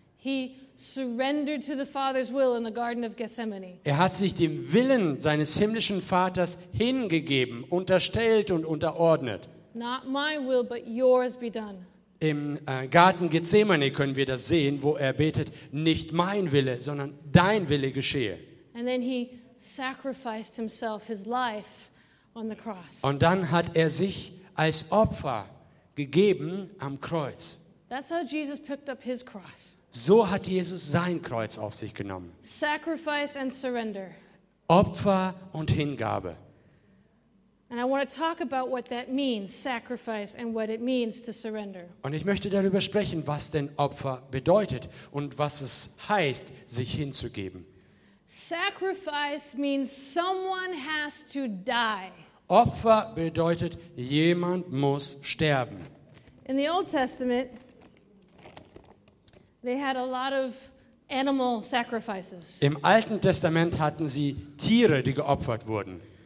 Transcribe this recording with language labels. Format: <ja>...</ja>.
<en>He surrendered to the Father's will in the Garden of Gethsemane.</en> <de>Er hat sich dem Willen seines himmlischen Vaters hingegeben, unterstellt und unterordnet.</de> <en>Not my will, but yours be done.</en> <de>Im Garten Gethsemane können wir das sehen, wo er betet, nicht mein Wille, sondern dein Wille geschehe.</de> <en>And then he sacrificed himself, his life, on the cross.</en> <de>Und dann hat er sich als Opfer gegeben am Kreuz.</de> <en>That's how Jesus picked up his cross.</en> <de>So hat Jesus sein Kreuz auf sich genommen.</de> <en>Sacrifice and surrender.</en> <de>Opfer und Hingabe.</de> <en>And I want to talk about what that means, sacrifice, and what it means to surrender.</en> <de>Und ich möchte darüber sprechen, was denn Opfer bedeutet und was es heißt, sich hinzugeben.</de> <en>Sacrifice means someone has to die.</en> <de>Opfer bedeutet, jemand muss sterben.</de> <en>In the Old Testament, they had a lot of animal sacrifices.</en> <de>Im Alten Testament hatten sie Tiere, die geopfert wurden.</de>